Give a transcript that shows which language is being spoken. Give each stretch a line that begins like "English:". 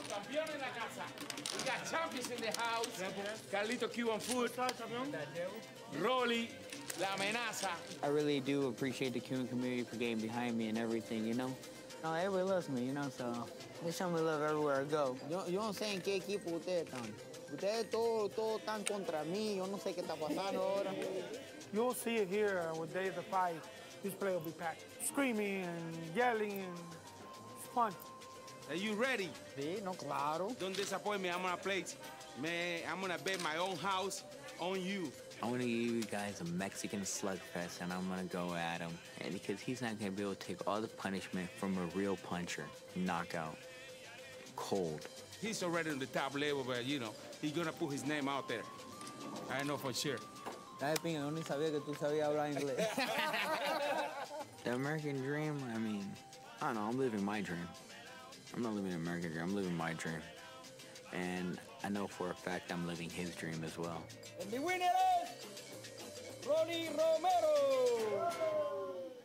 English: We got champions in the house. Carlito Cuban food.
Spanish: Rolly, la amenaza.
English: I really do appreciate the Cuban community for getting behind me and everything, you know? No, everybody loves me, you know, so they show me love everywhere I go.
Spanish: Yo no sé en qué equipo ustedes están. Ustedes todos están contra mí. Yo no sé qué está pasando ahora.
English: You'll see it here with day of the fight. This play will be packed. Screaming and yelling and it's fun. Are you ready?
Spanish: Sí, no, claro.
English: Don't disappoint me. I'm gonna play. Man, I'm gonna bet my own house on you. I'm gonna give you guys a Mexican slugfest, and I'm gonna go at him. And because he's not gonna be able to take all the punishment from a real puncher. Knockout. Cold. He's already on the top level, but, you know, he's gonna put his name out there. I know for sure.
Spanish: Ay, pinga, yo ni sabía que tú sabías hablar inglés.
English: The American dream, I mean, I don't know, I'm living my dream. I'm not living an American dream, I'm living my dream. And I know for a fact I'm living his dream as well. And the winner is Rolly Romero!